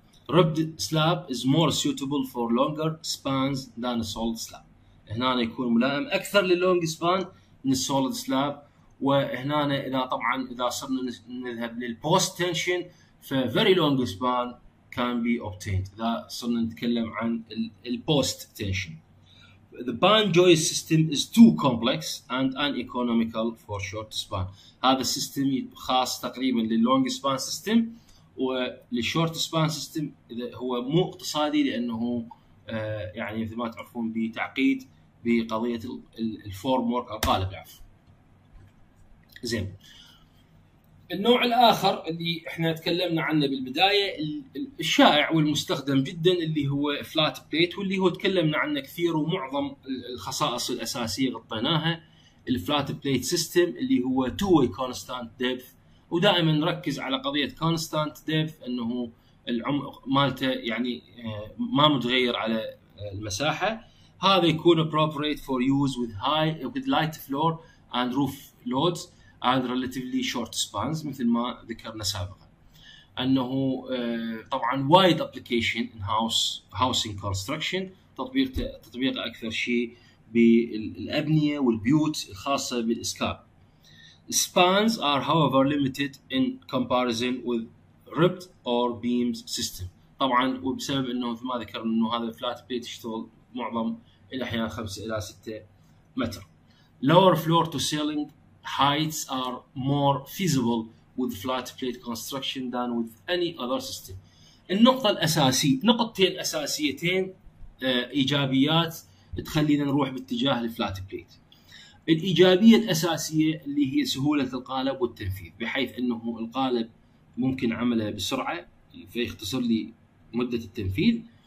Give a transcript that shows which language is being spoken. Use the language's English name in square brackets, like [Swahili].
[English] Ribbed slab is more suitable for longer spans than a solid slab. [Arabic] هنا يكون ملائم اكثر للونج سبان من السوليد سلاب. وهنا اذا طبعا اذا صرنا نذهب للبوست تنشن ف [English] very long span can be obtained. [Arabic] اذا صرنا نتكلم عن البوست تنشن. [English] The band joist system is too complex and uneconomical for short span. [Arabic] هذا السيستم خاص تقريبا للونج سبان سيستم، وللشورت سبان سيستم اذا هو مو اقتصادي لانه يعني مثل ما تعرفون بتعقيد بقضيه الفورم ورك القالب العفو. زين النوع الاخر اللي احنا تكلمنا عنه بالبدايه الشائع والمستخدم جدا اللي هو فلات بليت، واللي هو تكلمنا عنه كثير ومعظم الخصائص الاساسيه غطيناها. الفلات بليت سيستم اللي هو تو واي كونستانت ديبث، ودائما نركز على قضيه كونستانت ديبث انه العمق مالته يعني ما متغير على المساحه. هذا يكون [English] appropriate for use with light floor and roof loads and relatively short spans [Arabic] مثل ما ذكرنا سابقا. انه طبعا [English] wide application in housing construction، [Arabic] تطبيق اكثر شيء بالابنيه والبيوت الخاصه بالاسكان. [English] Spans are however limited in comparison with ribbed or beams system. [Arabic] طبعا وبسبب انه ما ذكر انه هذا flat plate يشتغل معظم الاحيان 5 الى 6 متر. [English] Lower floor to ceiling heights are more feasible with flat plate construction than with any other system. [Arabic] النقطة الأساسية، نقطتين أساسيتين إيجابيات تخلينا نروح باتجاه الفلات بليت. الإيجابية الأساسية اللي هي سهولة القالب والتنفيذ، بحيث أنه القالب ممكن عمله بسرعة فيختصر لي مدة التنفيذ.